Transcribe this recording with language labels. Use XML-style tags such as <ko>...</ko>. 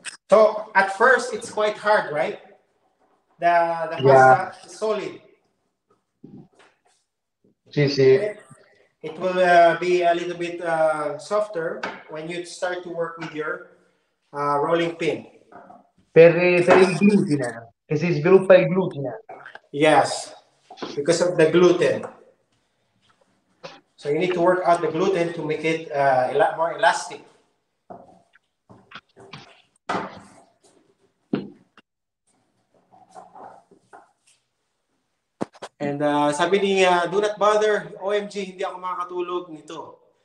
<en>So at first it's quite hard, right? The Yeah. pasta is solid.</en> <it>Sì.</it> <en>It will be a little bit softer when you start to work with your rolling pin.</en> <it>Per il glutine, che si sviluppa il glutine.</it> <en>Yes, because of the gluten. So you need to work out the gluten to make it a lot more elastic.</en> <tl>And sabi ni</tl> <en>do not bother,</en> <tl>OMG, hindi ako makakatulog nito.</tl>